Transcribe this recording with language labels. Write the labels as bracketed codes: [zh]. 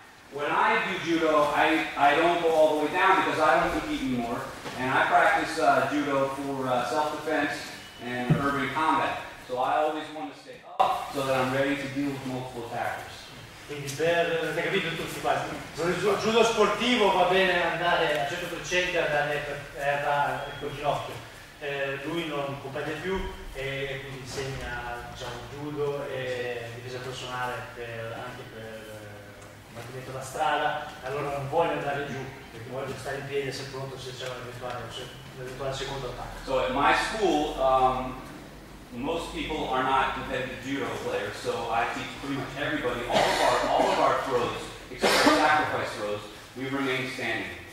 [en] When I do judo, I don't go all the way down because I don't compete anymore, and I practice judo for self-defense and urban combat. So I always want to stay up so that I'm ready to deal with multiple attackers. [it] Quindi per, avete capito tutti quasi, il judo sportivo va bene andare al 100% a dare col ginocchio. Lui non compete più e quindi insegna diciamo, judo e difesa personale per, anche per combattimento da strada, allora non vuole andare giù, perché vuole stare in piedi e essere pronto se c'è un eventuale secondo attacco. [en] So at my school, most people are not competitive judo players, so I teach pretty much everybody, all of our throws, except for sacrifice throws, we remain standing.